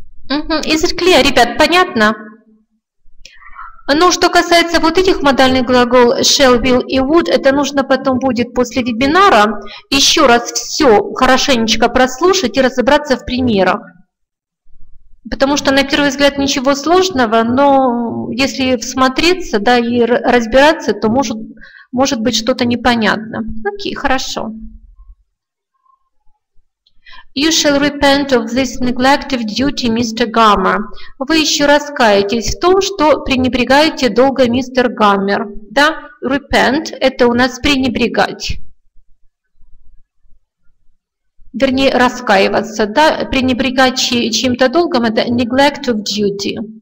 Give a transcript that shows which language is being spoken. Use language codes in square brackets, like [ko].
[en] Is it clear, [ru] ребят, понятно? Но что касается вот этих модальных глаголов shall, will и would, это нужно потом будет после вебинара еще раз все хорошенечко прослушать и разобраться в примерах. Потому что на первый взгляд ничего сложного, но если всмотреться, да, и разбираться, то может быть что-то непонятно. Окей, хорошо. [en] You shall repent of this neglect of duty, Mr. Gummer. [ru] Вы еще раскаетесь в том, что пренебрегаете долго, мистер Гаммер. Да? Repent – это у нас пренебрегать. Вернее, раскаиваться. Да? Пренебрегать чьим-то долгом – это [en] neglect of duty.